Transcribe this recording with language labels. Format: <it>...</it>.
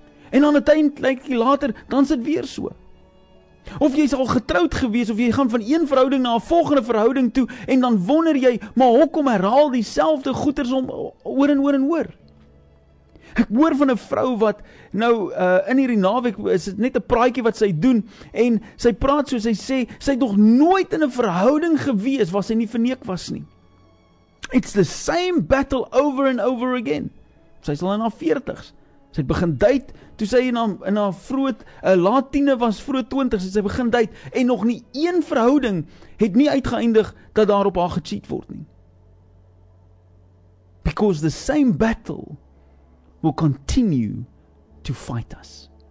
<af>En dan 'n tydjie later, dan is dit weer so. Of jy is al getroud gewees, of jy gaan van een verhouding na 'n volgende verhouding toe en dan wonder jy, maar hoekom herhaal dieselfde goeters om oor en oor en oor? Ek hoor van 'n vrou wat nou in hierdie naweek is dit net 'n praatjie wat sy doen en sy praat soos sy sê, sy het nog nooit in 'n verhouding gewees waar sy nie verneek was nie.</af> <en>It's the same battle over and over again.</en> <af>Sy is al in haar 40s. Sy het begin date, toe sy in haar vroeg, laat tiener was, vroeg 20s, het sy begin date, en nog nie een verhouding het nie uitgeëindig dat daar op haar gecheat word nie.</af> <en>Because the same battle will continue to fight us.</en>